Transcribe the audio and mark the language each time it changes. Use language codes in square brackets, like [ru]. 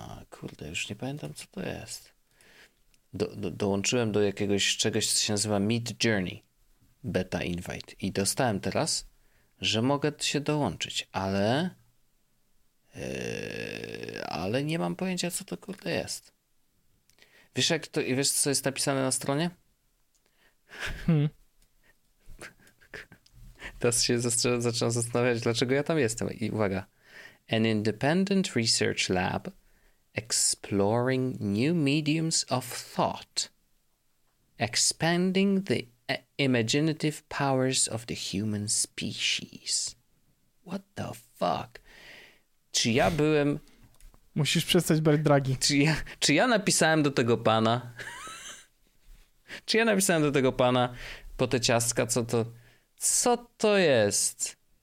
[pl] Kurde, już nie pamiętam, co to jest. Dołączyłem do jakiegoś czegoś, co się nazywa Meet Journey Beta Invite i dostałem teraz, że mogę się dołączyć, ale ale nie mam pojęcia, co to kurde jest. Wiesz, jak to, wiesz, co jest napisane na stronie? Teraz się zaczynam zastanawiać, dlaczego ja tam jestem. I uwaga. [en] An independent research lab exploring new mediums of thought, expanding the imaginative powers of the human species. What the fuck? [pl] Czy ja byłem... Musisz przestać brać dragi. Czy ja napisałem do tego pana? Czy ja napisałem do tego pana po te ciastka, co to jest?